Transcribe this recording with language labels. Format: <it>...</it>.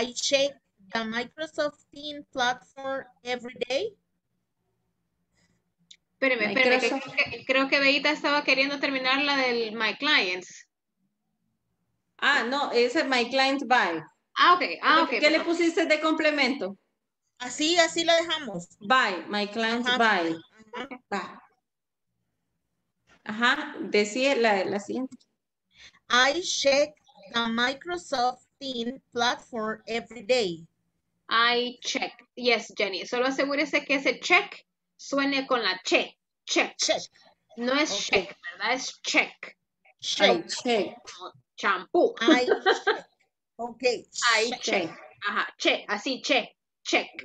<en>I check the Microsoft Teams platform every day.</en> <es>Espérame, creo que Beita estaba queriendo terminar la del My Clients. Ah, no, es My Clients Buy. Ah, ok. Ah, okay. ¿Qué le pusiste de complemento? Así lo dejamos.</es> <en>Buy, My Clients Buy.</en> <es>Ajá, decía la siguiente.</es> <en>I check the Microsoft Teams platform every day. I check. Yes, Jenny.</en> <es>Solo asegúrese que ese check suene con la che, check. No es okay. Check, ¿verdad? Es check.</es> <en>Check.</en> <es>Champú.</es> <en>I check. Okay. I check.</en> <es>Ajá, che, así, che, check.</es>